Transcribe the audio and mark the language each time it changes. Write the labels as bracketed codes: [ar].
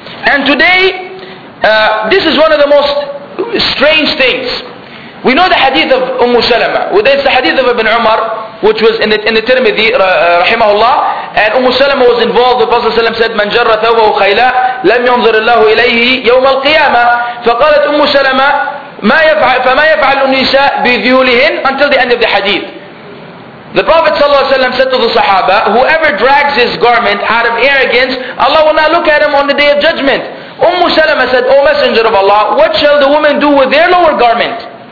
[en] And today, this is one of the most strange things. We know the hadith of Umm Salama. It's the hadith of Ibn Umar, which was in the Tirmidhi, rahimahullah. And Umm Salama was involved. The Prophet said, [ar] "Man jarra thawbahu khayla, lam yanzur Allahu ilayhi yawm al-qiyama." فقالت أم سلمة ما يفعل فما يفعل النساء بذيولهن [en] until the end of the hadith. The Prophet ﷺ said to the Sahaba, whoever drags his garment out of arrogance, Allah will not look at him on the day of judgment. Umm Salama said, O Messenger of Allah, what shall the woman do with their lower garment?